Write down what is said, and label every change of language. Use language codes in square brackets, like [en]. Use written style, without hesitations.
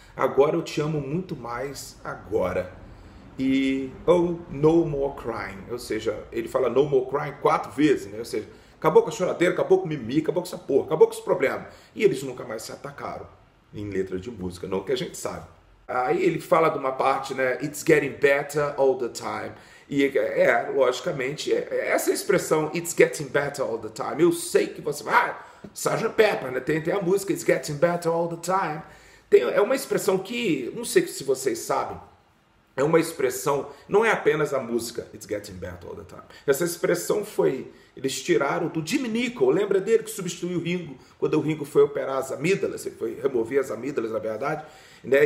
[pt] Agora eu te amo muito mais agora. E oh, [en] no more crying. [pt] Ou seja, ele fala [en] no more crying [pt] 4 vezes, né? Ou seja, acabou com a choradeira, acabou com o mimimi, acabou com essa porra, acabou com os problemas. E eles nunca mais se atacaram. Em letra de música, não que a gente sabe. Aí ele fala de uma parte, né? [en] It's getting better all the time. [pt] E logicamente, essa expressão, [en] it's getting better all the time, [pt] eu sei que você vai. Ah, Sgt. Pepper, né? Tem a música, [en] it's getting better all the time. [pt] É uma expressão que, não sei se vocês sabem, é uma expressão, não é apenas a música, [en] it's getting better all the time. [pt] Essa expressão foi. Eles tiraram do Jimmy Nichol, lembra dele que substituiu o Ringo quando o Ringo foi operar as amígdalas, ele foi remover as amígdalas, na verdade, né?